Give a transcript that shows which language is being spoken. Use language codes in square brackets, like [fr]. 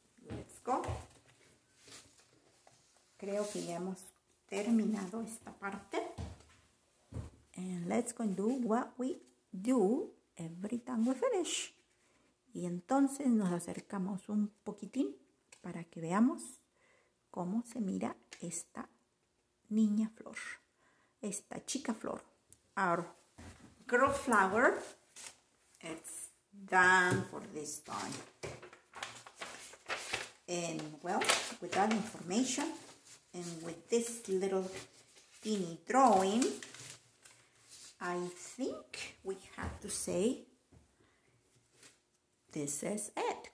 [en] Let's go. [es] Creo que ya hemos terminado esta parte. [en] And let's go and do what we do every time we finish. [es] Y entonces nos acercamos un poquitín para que veamos cómo se mira esta niña flor. Esta chica flor. [en] Our girl flower, it's done for this time. And well, with that information and with this little teeny drawing, I think we have to say this is it.